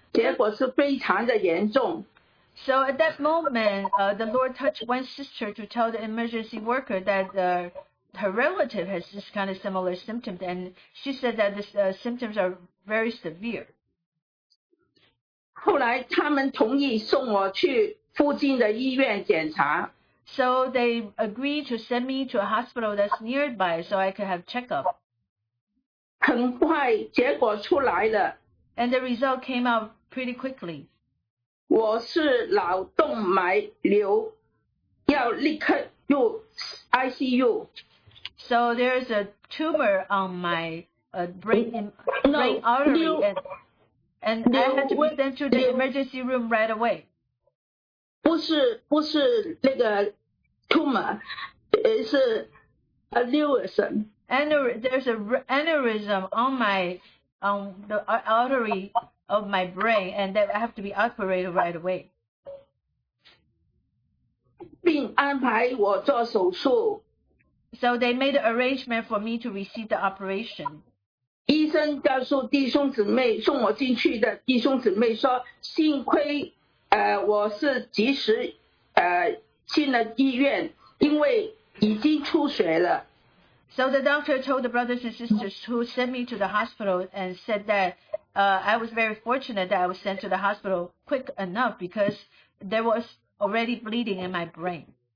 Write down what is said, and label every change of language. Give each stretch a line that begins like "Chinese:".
Chinese: 就在那个时候，神感动一位姊妹，告诉那个人说，她曾经历过她亲人也是这种情形，结果是非常的严重。
English: So at that moment, the Lord touched one sister to tell the emergency worker that her relative has this kind of similar symptoms, and she said that the symptoms are very severe.
Chinese: 后来他们同意送我去附近的医院检查。
English: So they agreed to send me to a hospital that's nearby so I could have checkup.
Chinese: 很快结果出来了。
English: And the result came out pretty quickly.
Chinese: 我是脑动脉瘤, 要立刻入ICU。
English: So there is a tumor on my brain artery, and I had to be sent to the emergency room right away.
Chinese: 不是那个 tumor, 是 aneurysm.
English: There's an aneurysm on my artery of my brain and that I have to be operated right away.
Chinese: 并安排我做手术。
English: So they made an arrangement for me to receive the operation.
Chinese: 医生告诉弟兄姊妹，送我进去的弟兄姊妹说，幸亏我是及时进了医院，因为已经出血了。
English: So the doctor told the brothers and sisters who sent me to the hospital and said that I was very fortunate that I was sent to the hospital quick enough because there was already bleeding in my brain.